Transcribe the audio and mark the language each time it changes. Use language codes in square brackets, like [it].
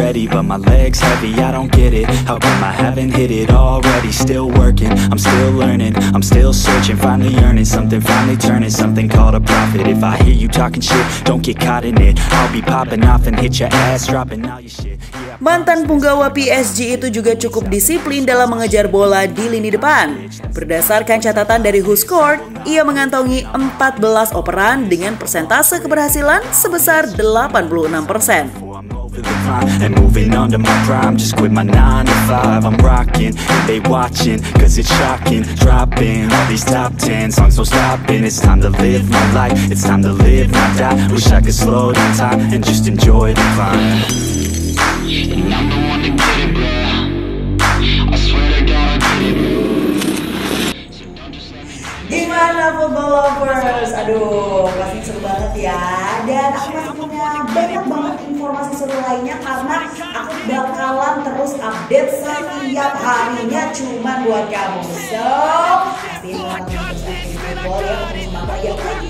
[en] But my legs heavy, I don't get it. How come I haven't hit it already? Still working, I'm still learning. I'm still searching, finally earning something. Finally turning something called a profit. If I hear you talking shit, don't get caught in it. I'll be popping off and hit your ass, dropping all your shit. [id] Mantan punggawa PSG itu juga cukup disiplin dalam mengejar bola di lini depan. Berdasarkan catatan dari Who Scored, ia mengantongi 14 operan dengan persentase keberhasilan sebesar 86%. [en] And moving on to my prime, just quit my 9 to 5. I'm rocking, they watching, cause it's shocking. Dropping all these top 10 songs, no stopping. It's time to live my life, it's time to live my die. Wish I could slow down time and just enjoy the climb. And I'm the one to get it, bruh. I swear to God, I get it, bruh. [id] Gimana football lovers? Aduh, pasti seru banget ya. Dan aku masih punya banyak banget informasi seru lainnya karena aku bakalan terus update setiap harinya cuma buat kamu. So, pasti mau nonton football ya, terus semangat ya.